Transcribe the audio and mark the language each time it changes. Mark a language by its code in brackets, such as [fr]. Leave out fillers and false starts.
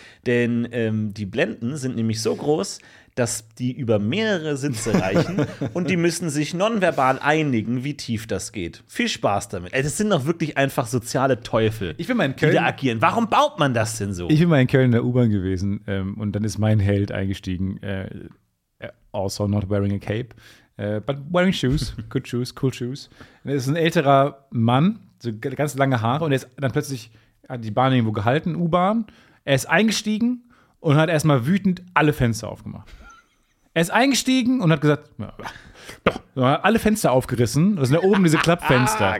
[de] Denn die Blenden sind nämlich so groß, dass die über mehrere Sitze reichen und die müssen sich nonverbal einigen, wie tief das geht. Viel Spaß damit. Das sind doch wirklich einfach soziale Teufel, ich bin mal in Köln, die da agieren. Warum baut man das denn so? Ich bin mal in Köln in der U-Bahn gewesen und dann ist mein Held eingestiegen. [en] Also not wearing a cape. But wearing shoes, good shoes, cool shoes. [de] Und das ist ein älterer Mann, so ganz lange Haare. Und er ist dann plötzlich, hat die Bahn irgendwo gehalten, U-Bahn. Er ist eingestiegen und hat erstmal wütend alle Fenster aufgemacht. Er ist eingestiegen und hat gesagt, ja, hat alle Fenster aufgerissen. Das sind da oben diese Klappfenster.